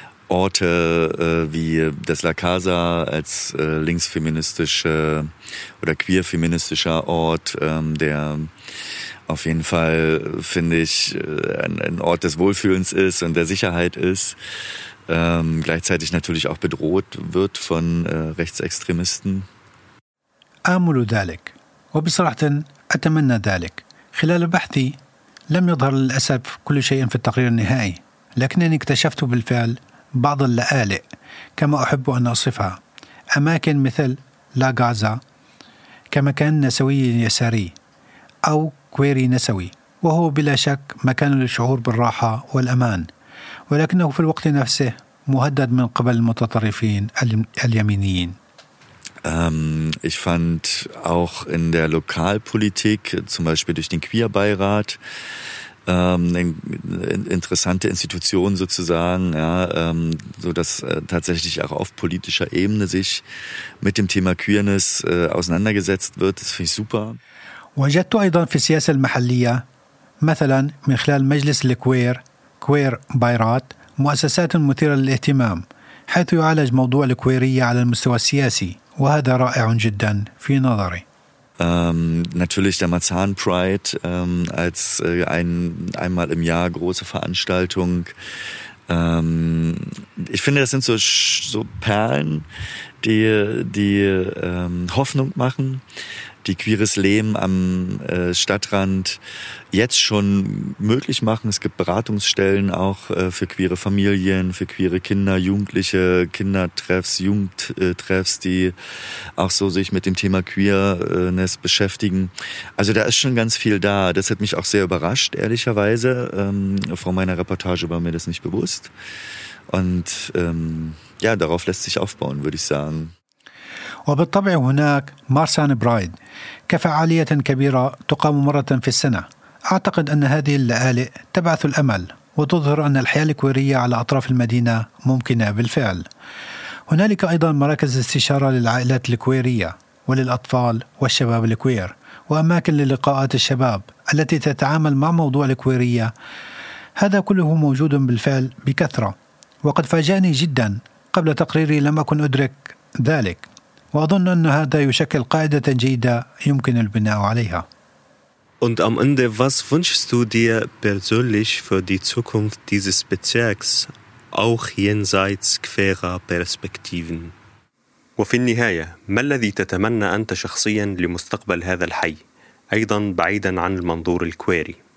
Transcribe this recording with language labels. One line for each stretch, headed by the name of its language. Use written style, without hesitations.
German: Orte wie das La Casa als linksfeministische oder queerfeministischer Ort, der auf jeden Fall, finde ich, ein Ort des Wohlfühlens ist und der Sicherheit ist. Gleichzeitig natürlich auch bedroht wird von Rechtsextremisten.
Arabic: آمل ذلك وبصراحة أتمنى ذلك. خلال بحثي لم يظهر للأسف كل شيء في التقرير النهائي، لكنني اكتشفت بالفعل بعض اللآلئ كما أحب أن أصفها أماكن مثل لا غازا كمكان نسوي يساري أو كويري نسوي وهو بلا شك مكان للشعور بالراحة والأمان ولكنه في الوقت نفسه مهدد من قبل المتطرفين اليمينيين.
German: Ich fand auch in der Lokalpolitik zum Beispiel durch den Queerbeirat eine interessante Institution sozusagen, ja, sodass tatsächlich auch auf politischer Ebene sich mit dem Thema Queerness auseinandergesetzt wird. Das finde ich super.
Arabic: وجدت أيضا في السياسة المحلية مثلا من خلال مجلس الكوير كوير بايرات مؤسسات مثيرة للاهتمام حيث يعالج موضوع الكويرية على المستوى السياسي وهذا رائع جدا في نظري.
German: Natürlich der Marzahn Pride als einmal im Jahr große Veranstaltung. Ich finde, das sind so Perlen, die Hoffnung machen, die queeres Leben am Stadtrand jetzt schon möglich machen. Es gibt Beratungsstellen auch für queere Familien, für queere Kinder, Jugendliche, Kindertreffs, Jugendtreffs, die auch so sich mit dem Thema Queerness beschäftigen. Also da ist schon ganz viel da. Das hat mich auch sehr überrascht, ehrlicherweise. Vor meiner Reportage war mir das nicht bewusst. Und ja, darauf lässt sich aufbauen, würde ich sagen.
Arabic: وبالطبع هناك مارسان برايد كفعالية كبيرة تقام مرة في السنة. أعتقد أن هذه اللآلئ تبعث الأمل وتظهر أن الحياة الكويرية على أطراف المدينة ممكنة بالفعل. هنالك أيضا مراكز استشارة للعائلات الكويرية وللأطفال والشباب الكوير وأماكن للقاءات الشباب التي تتعامل مع موضوع الكويرية. هذا كله موجود بالفعل بكثرة. وقد فاجأني جدا قبل تقريري لم أكن أدرك ذلك. وأظن أن هذا يشكل قاعدة جيدة يمكن البناء عليها.
German: Und am Ende, was wünschst du dir persönlich für die Zukunft dieses Bezirks, auch jenseits queerer Perspektiven?
Arabic: وفي النهاية, ما الذي تتمنى أنت شخصياً لمستقبل هذا الحي, أيضاً بعيداً عن المنظور الكويري؟